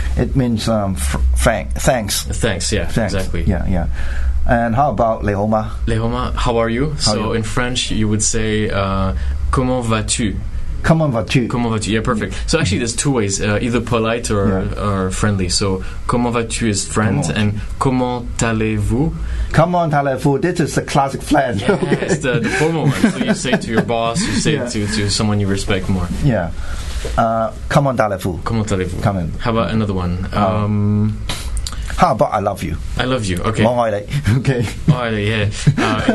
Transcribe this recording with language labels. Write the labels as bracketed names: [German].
[English] It means thanks. Thanks, yeah. Thanks. Exactly. Yeah, yeah. And how about Lehoma? Lehoma, how are you? In French, you would say, [French] comment vas-tu? Comment vas-tu? Comment vas-tu? Yeah, perfect. [English] So actually, there's two ways, either polite or friendly. So, [French] comment vas-tu [English] is friend, and [French] comment allez-vous? Comment allez-vous? [English] This is the classic French. Yeah, okay. It's the formal one. So you say to your boss, you say to someone you respect more. Yeah. [French] Comment allez-vous? Comment allez-vous? Comment. [English] How about another one? How about I love you? I love you, okay. Long Island, okay. Long Island, yeah.